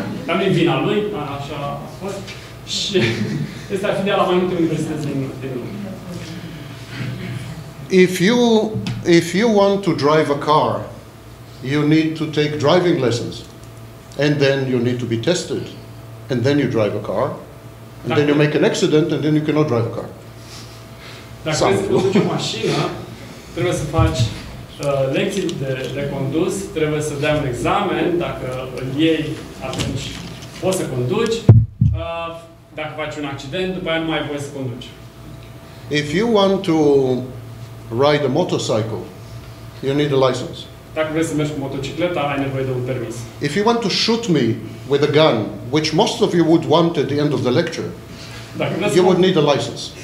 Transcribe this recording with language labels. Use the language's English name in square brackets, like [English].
[Romanian] Am din vina lui, așa a fost. Și este afiliat la mai multe universități din lume. [English] If you want to drive a car, you need to take driving lessons, and then you need to be tested, and then you drive a car, and then you make an accident, and then you cannot drive a car. [Romanian] Dacă vrei să conduci o mașină, trebuie să faci lecții de condus, trebuie să dai un examen, dacă îl iei, atunci poți să conduci. Dacă faci un accident, după aia nu mai poți să conduci. [English] If you want to ride a motorcycle, you need a license. [Romanian] Dacă vrei să mergi cu motocicleta, ai nevoie de un permis. [English] If you want to shoot me with a gun, which most of you would want at the end of the lecture, you would need a license.